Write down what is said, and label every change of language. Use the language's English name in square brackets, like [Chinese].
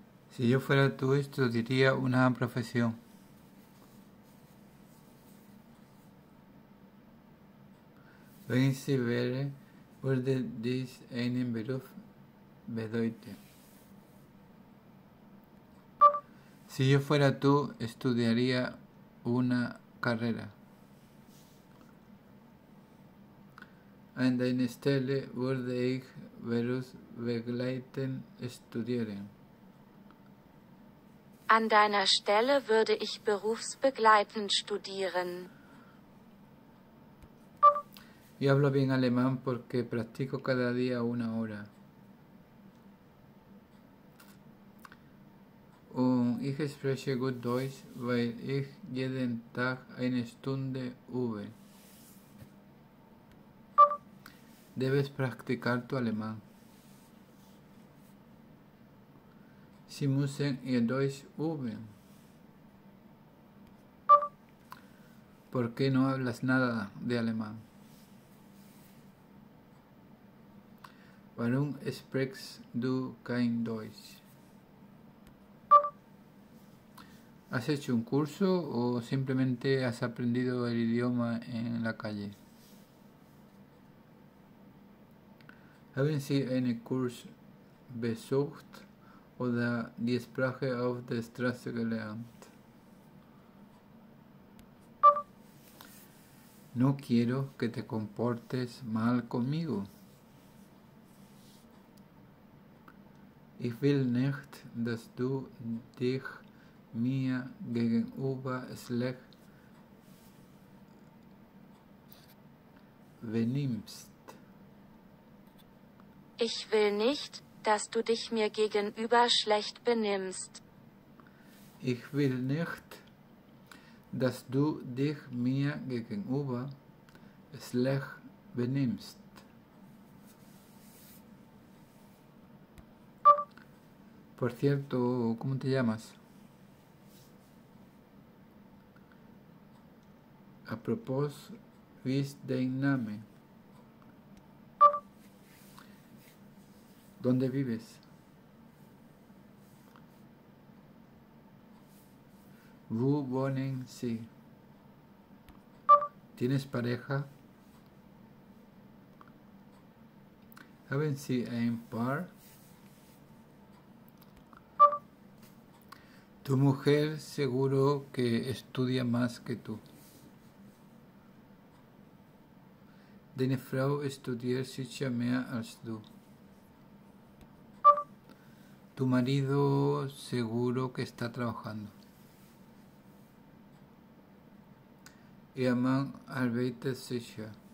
[Spanish] Si yo fuera tú, estudiaría una profesión. [German] Wenn sie wäre, würde dies einen Beruf bedeuten. [Spanish] Si yo fuera tú, estudiaría una carrera. [German] An deiner Stelle würde ich berufsbegleitend studieren. An deiner Stelle würde ich berufsbegleitend studieren. [Spanish] Yo hablo bien alemán porque practico cada día una hora. [German] Und ich spreche gut Deutsch, weil ich jeden Tag eine Stunde übe. [Spanish] Debes practicar tu alemán. [German] Sie müssen ihr Deutsch üben. [Spanish] ¿Por qué no hablas nada de alemán? [German] Warum sprichst du kein Deutsch? [Spanish] ¿Has hecho un curso o simplemente has aprendido el idioma en la calle? [German] ¿Haben Sie einen Kurs besucht oder die Sprache auf der Straße gelernt? [Spanish] No quiero que te comportes mal conmigo. [German] Ich will nicht, dass du dich mir gegenüber schlecht benimmst. Ich will nicht, dass du dich mir gegenüber schlecht benimmst. Ich will nicht, dass du dich mir gegenüber schlecht benimmst. [Spanish] Por cierto, ¿cómo te llamas? A propósito, [German] ¿wie ist dein Name? [Spanish] ¿Dónde vives? [German] Wo wohnen Sie? [Spanish] ¿Tienes pareja? [German] ¿Haben Sie ein Paar? [Spanish] Tu mujer seguro que estudia más que tú. [German] Deine Frau studiert sicher mehr als du. [Spanish] Tu marido seguro que está trabajando. [German] Ihr Mann arbeitet sicher.